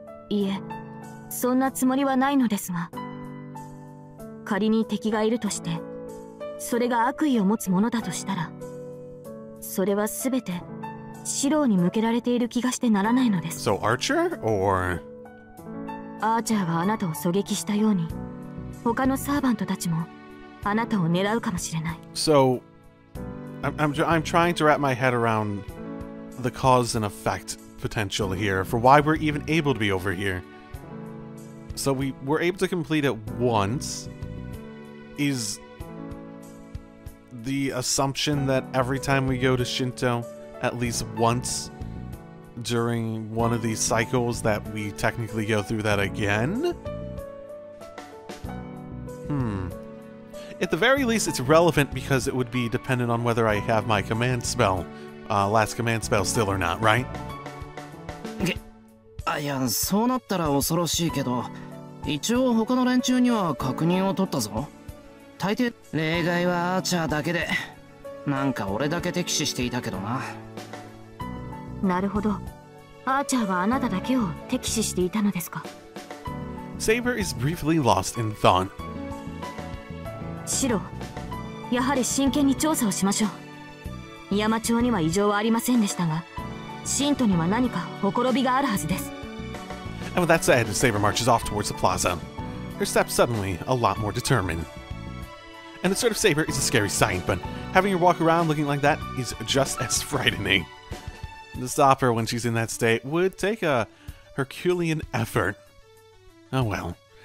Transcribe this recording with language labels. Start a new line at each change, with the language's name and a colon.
Japanese: いえ、そんなつもりはないのですが、仮に敵がいるとして、それが悪意を持つものだとしたら、それはすべてシローに向けられている気がしてならないのです。
English: So Archer or
Japanese: アーチャーがあなたを狙撃したように、他のサーバントたちもあなたを狙うかもしれない。
English: SoI'm trying to wrap my head around the cause and effect potential here for why we're even able to be over here. So we were able to complete it once. Is the assumption that every time we go to Shinto, at least once during one of these cycles, that we technically go through that again? At the very least, it's relevant because it would be dependent on whether I have my command spell, last command spell still or not, right?
Japanese: いや、そうなったら恐ろしいけど、一応他の連中には確認を取ったぞ。大抵例外はアーチャーだけで、なんか俺だけ敵視していたけどな。なるほど、アーチャーはあなただけを敵視していたのですか。
English: Saber is briefly lost in thought.
Japanese: シロ、やはり真剣に調査をしましょう。美山町には異常はありませんでしたが、信徒には何かほころびがあるはずです。
English: And with that said, Saber marches off towards the plaza. Her steps suddenly a lot more determined. And the sort of Saber is a scary sight, but having her walk around looking like that is just as frightening. To stop her when she's in that state would take a Herculean effort. Oh well.